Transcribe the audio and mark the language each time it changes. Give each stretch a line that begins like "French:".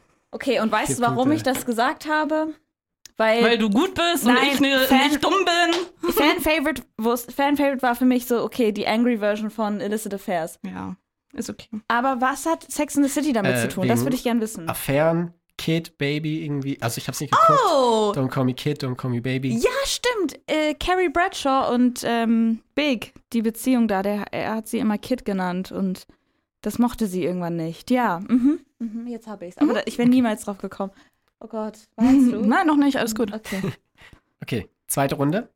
German: Okay, und weißt du, warum ich das gesagt habe? Weil du gut bist und nicht dumm bin. Fan-Favorite war für mich so, okay, die Angry Version von Illicit Affairs. Ja, ist okay. Aber was hat Sex in the City damit zu tun? Das würde ich gerne wissen. Affären, Kid, Baby irgendwie. Also ich hab's nicht geguckt. Oh.
English: Don't call me Kid, don't call me Baby.
German: Ja, stimmt. Carrie Bradshaw und Big, die Beziehung da, er hat sie immer Kid genannt und das mochte sie irgendwann nicht. Ja, jetzt habe ich es. Aber ich wäre niemals drauf gekommen. Oh Gott, weißt du? Nein, noch nicht, alles gut. Okay. Okay, zweite Runde.